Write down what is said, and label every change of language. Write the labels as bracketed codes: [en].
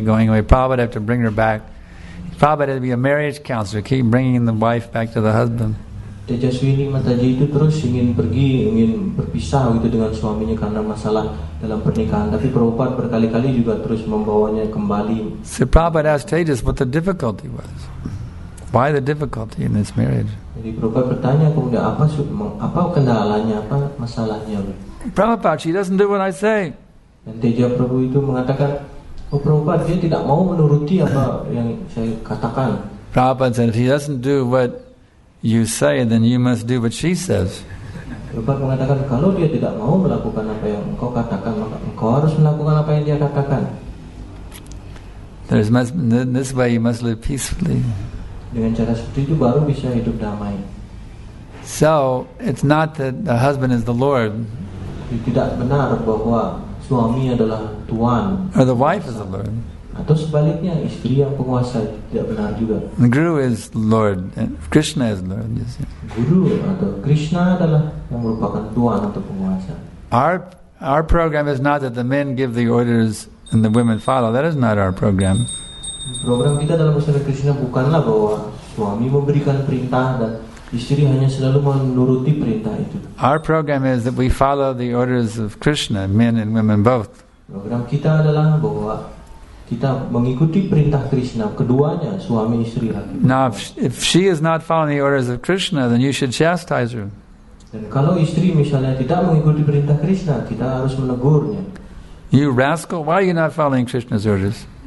[en] Prabhupada had to bring her back. Prabhupada had to be a marriage counselor, keep bringing the wife back to the husband. [id] Tejasini Mataji itu terus ingin berpisah gitu dengan suaminya karena masalah dalam pernikahan. Tapi Prabhupada berkali-kali juga terus membawanya kembali. [en] So Prabhupada asked Tejas what the difficulty was. Why the difficulty in this marriage? [id] Jadi Prabhupada bertanya kemudian apa kendalanya, apa masalahnya? [en] Prabhupada, she doesn't do what I say. [id] Dan Teja Prabhu itu mengatakan, oh Prabhupada, dia tidak mau menuruti apa yang saya katakan. [en] Prabhupada said, if he doesn't do what you say, then you must do what she says. [id] Prabhupada mengatakan, kalau dia tidak mau melakukan apa yang engkau katakan, maka engkau harus melakukan apa yang dia katakan. [en] This way you must live peacefully. [id] Dengan cara seperti itu baru bisa hidup damai. [en] So, it's not that the husband is the Lord. [id] Dia tidak benar bahwa suami adalah tuan. [en] Or the wife is the Lord. [id] Atau sebaliknya, istri yang penguasa tidak benar juga. [en] The Guru is Lord. Krishna is Lord. Yes, yes. [id] Guru atau Krishna adalah yang merupakan tuan atau penguasa. [en] Our program is not that the men give the orders and the women follow. That is not our program. [id] Program kita dalam usaha Krishna bukanlah bahwa suami memberikan perintah dan istri hanya selalu menuruti perintah itu. [en] Our program is that we follow the orders of Krishna, men and women both. [id] Program kita adalah bahwa kita mengikuti perintah Krishna, keduanya, suami, istri, laki-laki. [en] Now, if she is not following the orders of Krishna, then you should chastise her. [id] Dan kalau istri misalnya tidak mengikuti perintah Krishna, kita harus menegurnya. [en] You rascal, why are you not following Krishna's orders?